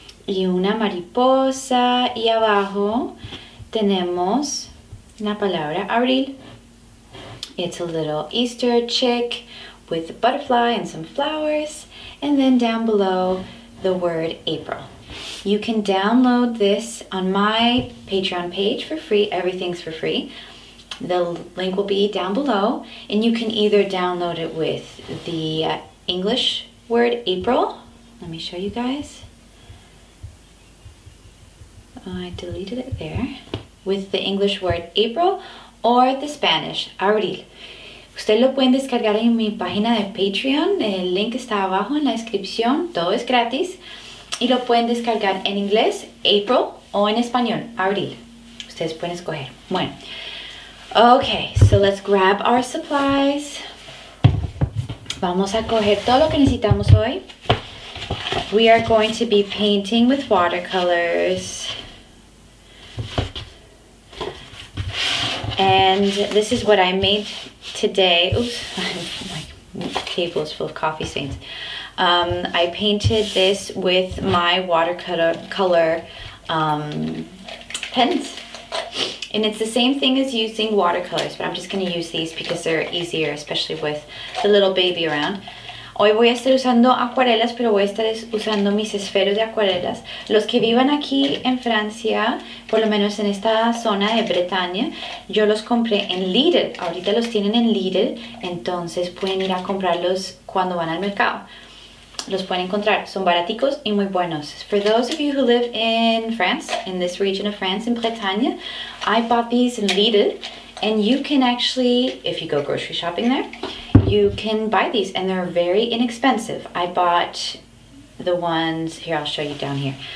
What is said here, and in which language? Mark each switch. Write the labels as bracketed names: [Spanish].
[Spanish] Y una mariposa, y abajo tenemos la palabra abril. [English] It's a little Easter chick with a butterfly and some flowers. And then down below, the word April. You can download this on my Patreon page for free. Everything's for free. The link will be down below. And you can either download it with the English word April. Let me show you guys. I deleted it there, with the English word April or the Spanish, abril. [Spanish] Ustedes lo pueden descargar en mi página de Patreon. El link está abajo en la descripción. Todo es gratis. Y lo pueden descargar en inglés, April, o en español, abril. Ustedes pueden escoger. Bueno. [English] Okay, so let's grab our supplies. [Spanish] Vamos a coger todo lo que necesitamos hoy. [English] We are going to be painting with watercolors. And this is what I made today. Oops, my table is full of coffee stains. I painted this with my watercolor pens. And it's the same thing as using watercolors, but I'm just gonna use these because they're easier, especially with the little baby around. [Spanish] Hoy voy a estar usando acuarelas, pero voy a estar usando mis esferos de acuarelas. Los que vivan aquí en Francia, por lo menos en esta zona de Bretaña, yo los compré en Lidl. Ahorita los tienen en Lidl, entonces pueden ir a comprarlos cuando van al mercado. Los pueden encontrar. Son baraticos y muy buenos. [English] For those of you who live in France, in this region of France, in Bretaña, I bought these in Lidl. And you can actually, if you go grocery shopping there, you can buy these and they're very inexpensive. I bought the ones, here I'll show you down here.